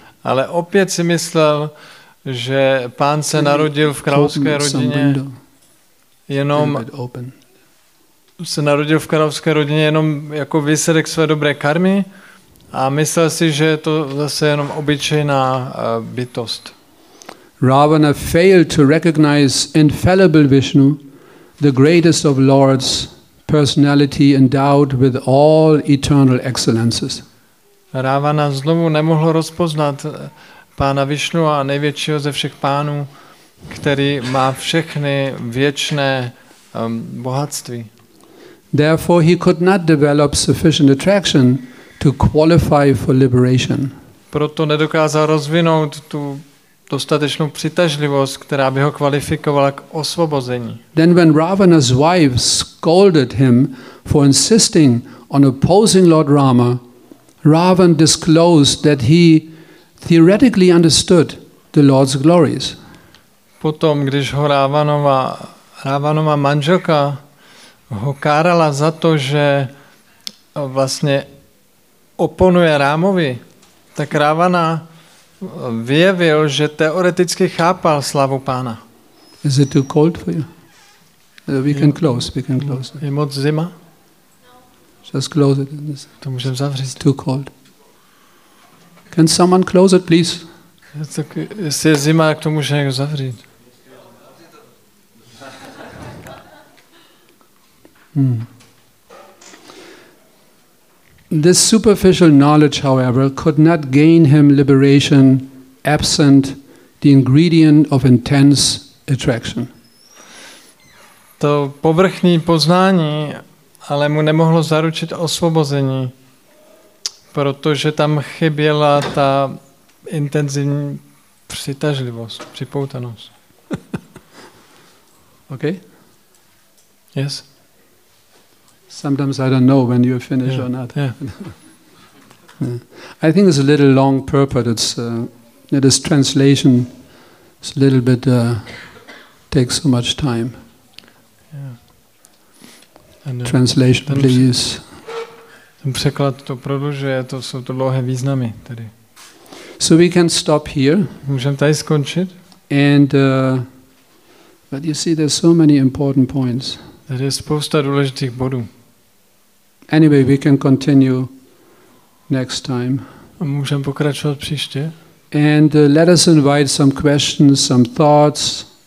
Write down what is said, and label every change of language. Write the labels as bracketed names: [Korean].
[Czech] Ale opět si myslel, že pán se narodil v královské rodině jenom jako výsledek své dobré karmy a myslel si, že je to zase jenom obyčejná bytost. [English] Ravana failed to recognize infallible Vishnu, the greatest of lords, personality endowed with all eternal excellences. [Czech] Ravana znovu nemohl rozpoznat pána Vishnu a největšího ze všech pánů, který má všechny věčné bohatství. [English] Therefore he could not develop sufficient attraction to qualify for liberation. [Czech] Proto nedokázal rozvinout tu dostatečnou přitažlivost, která by ho kvalifikovala k osvobození. [English] Then when Ravana's wife scolded him for insisting on opposing Lord Rama, Ravan disclosed that he theoretically understood the Lord's glories. [Czech] Potom, když ho Ravanova manželka ho kárala za to, že vlastně oponuje Rámovi, tak Ravana vyjevil, že teoreticky chápal slavu pána. [English] Is it too cold for you? We can close. [Czech] Je moc zima? [English] Just close it. [Czech] To můžeme zavřít. [English] Too cold. Can someone close it, please? [Czech] Tak jestli je zima, jak to může někdo zavřít? [English] This superficial knowledge, however, could not gain him liberation absent the ingredient of intense attraction. [Czech] To povrchní poznání ale mu nemohlo zaručit osvobození, protože tam chyběla ta intenzivní přitažlivost, připoutanost. [English] Okay? Yes. Sometimes I don't know when you're finished or not. Yeah. I think it's a little long purport. It is translation. It's a little bit takes so much time. Yeah. And translation, please. [Czech] Ten překlad to prodlužuje, to jsou to dlouhé významy tady. [English] So we can stop here. [Czech] Můžeme tady skončit. [English] And but you see, there's so many important points. [Czech] Tady je spousta důležitých bodů. [English] Anyway, we can continue next time. [Czech] Můžeme pokračovat příště. [English] And let us invite some questions, some thoughts.